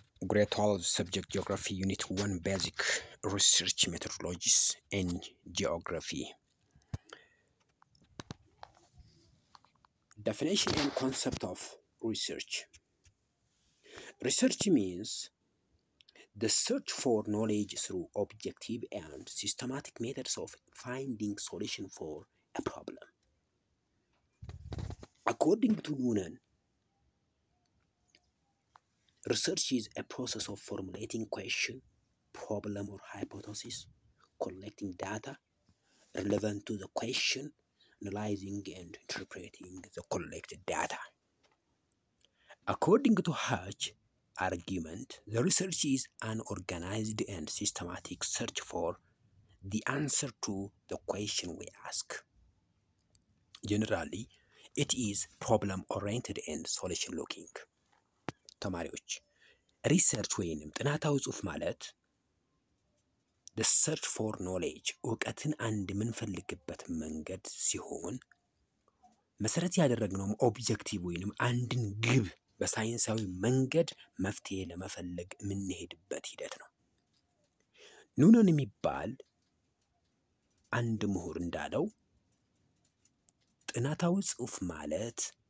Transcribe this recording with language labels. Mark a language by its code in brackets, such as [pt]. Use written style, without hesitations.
[en] ግሬድ 12 ሰብጀክት ጂኦግራፊ ዩኒት 1 ቤዚክ ሪሰርች ሜቶዶሎጂስ ኢን ጂኦግራፊ። ዴፊኒሽን ኤንድ ኮንሰፕት ኦፍ research. Research means the search for knowledge through objective and systematic methods of finding solution for a problem. According to Noonan, research is a process of formulating question, problem or hypothesis, collecting data relevant to the question, analyzing and interpreting the collected data. According to Hatch's argument, the research is an organized and systematic search for the answer to the question we ask. Generally, it is problem-oriented and solution-looking. [am] ተማሪዎች ሪሰርች ወይንም ጥናታዊ ጽሑፍ ማለት [en] the search for knowledge [am] እውቀትን አንድ ምንፈልግበት መንገድ ሲሆን መሰረት ያደረግነውም ኦብጀክቲቭ ወይንም አንድን ግብ በሳይንሳዊ መንገድ መፍትሄ ለመፈለግ ምንሄድበት ሂደት ነው። ኑነን የሚባል አንድ ምሁር እንዳለው ጥናታዊ ጽሑፍ ማለት